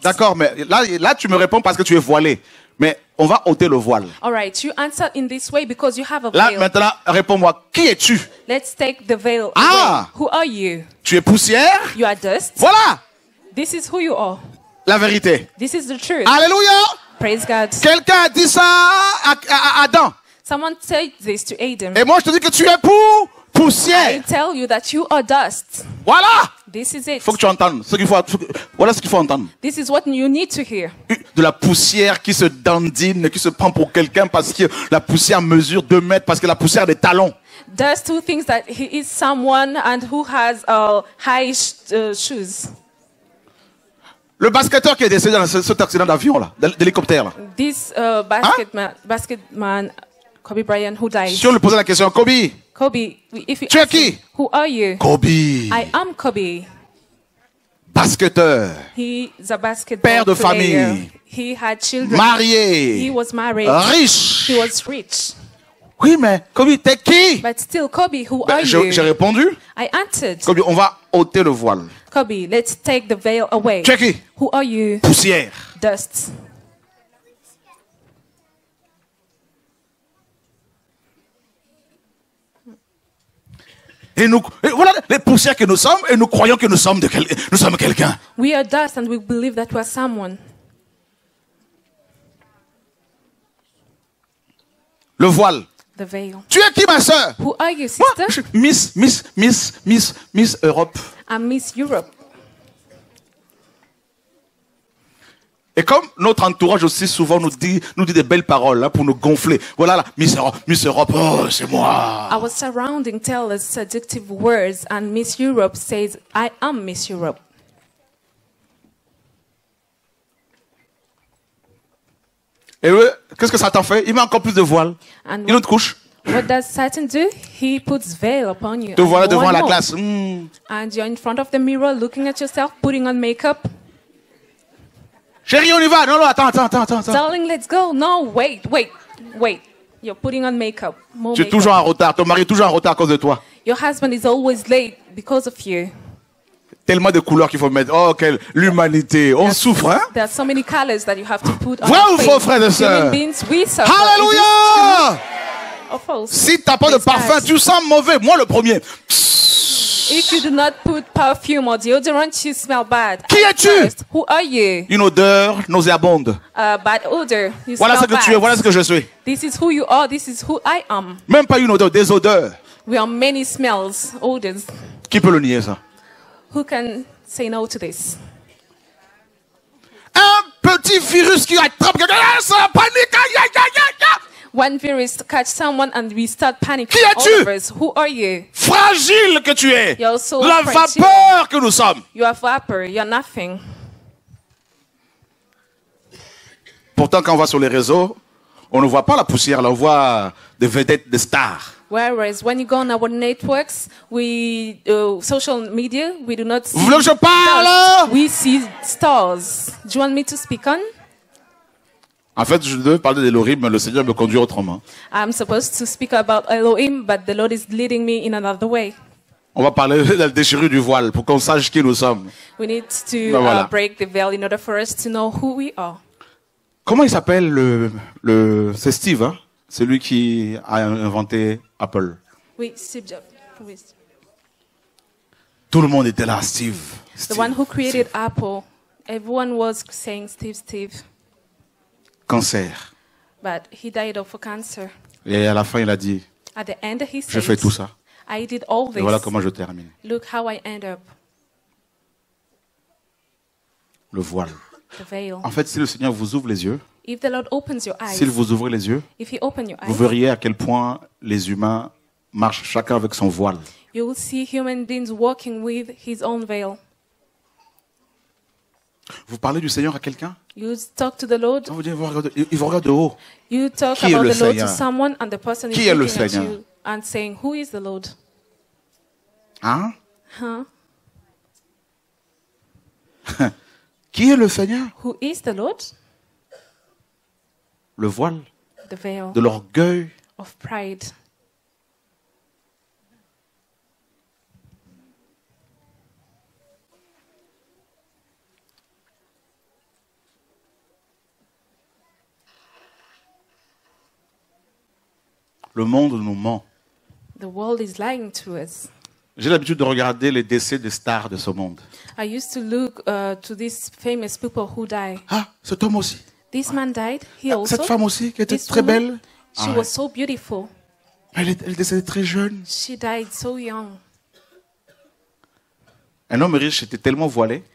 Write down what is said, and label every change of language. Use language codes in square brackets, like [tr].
[fr] D'accord, mais là tu me réponds parce que tu es voilé. Mais on va ôter le voile. [en] All right, you answer in this way because you have a veil. [fr] Là maintenant, réponds-moi, qui es-tu? [en] Let's take the veil. Ah! Who are you? [fr] Tu es poussière? [en] You are dust. [fr] Voilà! [en] This is who you are. [fr] La vérité. [en] This is the truth. [fr] Alléluia! [en] Praise God. [fr] Quelqu'un a dit ça à Adam. [en] Someone said this to Adam. [fr] Et moi je te dis que tu es poussière. [en] I tell you that you are dust. [fr] Voilà! [en] This is it. [fr] Faut que tu entendes. Voilà ce qu'il faut entendre. [en] This is what you need to hear. [fr] De la poussière qui se dandine, qui se prend pour quelqu'un parce que la poussière mesure 2 mètres, parce que la poussière des talons. [en] There's two things that he is someone and who has high shoes. [fr] Le basketteur qui est décédé dans cet accident d'avion là, d'hélicoptère là. [en] This basketman Kobe Bryant who died. [fr] Si on lui posait la question, Kobe. [en] Kobe, if [fr] tu es qui? [en] Who are you? [fr] Kobe. [en] I am Kobe. [fr] Basketteur. [en] He's a basketball [fr] père de [en] player. [fr] Famille. [en] He had children. [fr] Marié. [en] He was married. [fr] Riche. [en] He was rich. [fr] Oui, mais Kobe, t'es qui? [en] But still, Kobe, who are [fr] j'ai, [en] you? [fr] J'ai répondu. [en] I answered. [fr] Kobe, on va ôter le voile. [en] Kobe, let's take the veil away. [fr] Tu es qui? [en] Who are you? [fr] Poussière. [en] Dust. [fr] Et nous, et voilà les poussières que nous sommes et nous croyons que nous sommes nous sommes quelqu'un. [en] We are dust and we believe that we are someone. [fr] Le voile. [en] The veil. [fr] Tu es qui, ma sœur? [en] Who are you, sister? [fr] Moi, je, Miss Europe. [en] I'm Miss Europe. [fr] Et comme notre entourage aussi souvent nous dit des belles paroles hein, pour nous gonfler. Voilà, là, Miss Europe, Miss Europe, oh, c'est moi. [en] Our surrounding tell us seductive words and Miss Europe says I am Miss Europe. [fr] Et eux, qu'est-ce que Satan fait? Il met encore plus de voile. And une autre couche. [en] What does Satan do? He puts veil upon you. [fr] Te voilà devant la glace. [en] And you're in front of the mirror looking at yourself putting on makeup. [fr] Chérie, on y va. Non, attends. [en] Darling, let's go. No, wait. You're putting on makeup. [fr] Tu es toujours en retard. Ton mari est toujours en retard à cause de toi. [en] Your husband is always late because of you. [fr] Tellement de couleurs qu'il faut mettre. Oh, quelle l'humanité. On souffre, hein? [en] There are so many colors that you have to put on. [fr] Vrai ou faux, frère et sœur? [en] Human beings, we suffer. Hallelujah! [fr] Si tu n'as pas de parfum, tu sens mauvais. Moi, le premier. [en] If you do not put perfume or deodorant, you smell bad. [fr] Qui es-tu? [en] Who are you? [fr] Une odeur nauséabonde. [en] Bad odor. [fr] Voilà ce que tu es. Voilà ce que je suis. [en] This is who you are. This is who I am. [fr] Même pas une odeur, des odeurs. [en] We are many smells, odors. [fr] Qui peut le nier ça? [en] Who can say no to this? [fr] Un petit virus qui attrape quelqu'un, ça panique. [en] One virus catch someone and we start panicking. [fr] Qui es-tu? [en] Who are you? [fr] Fragile que tu es. [en] You're so [fr] la [en] fragile. [fr] Vapeur que nous sommes. [en] You are vapor. You're nothing. [fr] Pourtant, quand on va sur les réseaux, on ne voit pas la poussière. Là, on voit des vedettes, des stars. [en] Whereas when you go on our networks, we social media, we do not see. [fr] Vous voulez que je parle? [en] We see stars. Do you want me to speak on? [fr] En fait, je devais parler d'Elohim, mais le Seigneur me conduit autrement. [en] I'm supposed to speak about Elohim, but the Lord is leading me in another way. [fr] On va parler de la déchirure du voile pour qu'on sache qui nous sommes. [en] We need to break the veil in order for us to know who we are. [fr] Comment il s'appelle le c'est Steve, hein? C'est lui qui a inventé Apple. Oui, Steve Jobs. Tout le monde était là, Steve. [en] The one who created Steve. Apple. Everyone was saying Steve. [fr] Cancer. [en] But he died of a cancer. [fr] Et à la fin, il a dit, [en] at the end, he [fr] je fais tout ça. [en] I did all this. [fr] Et voilà comment je termine. [en] Look how I end up. [fr] Le voile. [en] The veil. [fr] En fait, si le Seigneur vous ouvre les yeux, [en] if the Lord opens your eyes, [fr] s'il vous ouvre les yeux, [en] if he open your eyes, [fr] vous verriez à quel point les humains marchent chacun avec son voile. [en] You will see human beings walking with his own veil. [fr] Vous parlez du Seigneur à quelqu'un? [en] You talk to the Lord. [fr] Vous dites, il vous regarde de haut. [en] You talk [fr] qui [en] about [fr] est le [en] the [fr] Seigneur? [en] Lord to someone and the person [fr] qui [en] is looking at you and saying, who is the Lord? [fr] Hein? Hein? Qui est le Seigneur? [en] Who is the Lord? [fr] Le voile. [en] The veil. [fr] De l'orgueil. [en] Of pride. [fr] Le monde nous ment. [en] The world is lying to us. [fr] J'ai l'habitude de regarder les décès des stars de ce monde. [en] I used to look to these famous people who die. [fr] Ah, cet homme aussi. [en] This man died. He [fr] cette [en] also. [fr] Cette femme aussi, qui était très belle. [en] She was so beautiful. [fr] Elle décédait très jeune. [en] She died so young. [fr] Un homme riche était tellement voilé.